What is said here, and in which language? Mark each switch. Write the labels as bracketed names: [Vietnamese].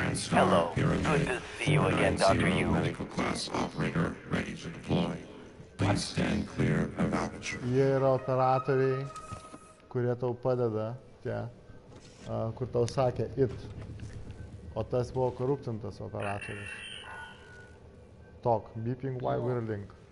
[English] Hello, good to see you again, Dr. Yu. Medical class operator ready to deploy. Please stand clear of aperture. [Lithuanian] Jie yra operatoriai, kurie tau padeda, tie, kur tau sakė it. O tas buvo korupcintas operatorius. [English] Talk, beeping while we're link.